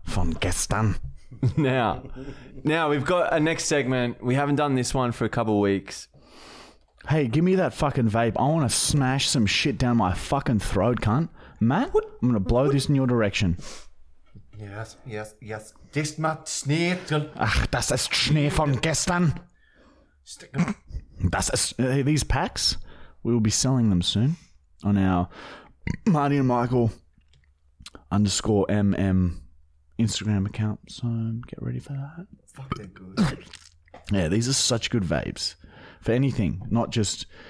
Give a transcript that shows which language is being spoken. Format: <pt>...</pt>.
<de>Von gestern.</de> <en>Now, we've got a next segment. We haven't done this one for a couple of weeks. Hey, give me that fucking vape. I want to smash some shit down my fucking throat, cunt. Matt, I'm going to blow this in your direction. Yes. This Matt Schnee.</en> <de>Ach, das ist Schnee von gestern.</de> <en>These packs, we will be selling them soon on our Marty and Michael _MM Instagram account. So get ready for that. Fuck, they're good. Yeah, these are such good vapes. For anything, not just...</en>